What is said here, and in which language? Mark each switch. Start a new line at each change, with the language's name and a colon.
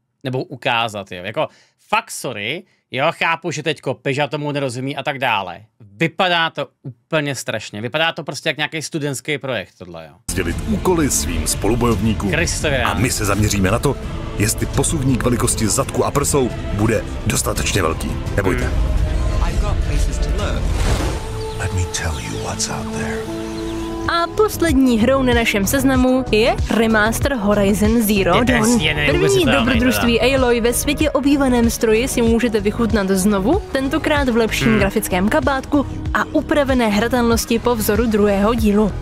Czech: Nebo ukázat, jo. Jako, fakt sorry, jo, chápu, že teďko Peža tomu nerozumí a tak dále. Vypadá to úplně strašně. Vypadá to prostě jak nějaký studentský projekt tohle, jo. ...sdělit úkoly svým spolubojovníkům. Kristově. A my se zaměříme na to, jestli posuvník velikosti zadku a prsou bude dostatečně velký. Nebojte.
English: Let me tell you what's out there.
Czech: A poslední hrou na našem seznamu je remaster Horizon Zero Dawn. První dobrodružství Aloy ve světě obývaném stroji si můžete vychutnat znovu, tentokrát v lepším grafickém kabátku a upravené hratelnosti po vzoru druhého dílu.